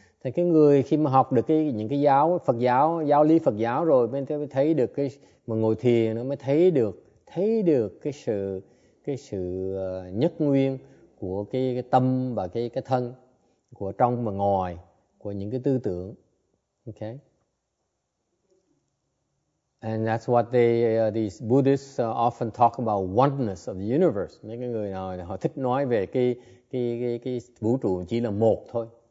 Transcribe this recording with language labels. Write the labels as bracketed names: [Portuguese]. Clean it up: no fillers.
[Vietnamese] Thì cái người khi mà học được những cái giáo Phật giáo, giáo lý Phật giáo rồi, mới thấy được cái, mà ngồi thiền nó mới thấy được cái sự nhất nguyên của cái tâm và cái thân, của trong và ngoài, của những cái tư tưởng. [English] Okay. And that's what these Buddhists often talk about oneness of the universe. [Vietnamese] Mấy cái người nào họ thích nói về cái vũ trụ chỉ là một thôi.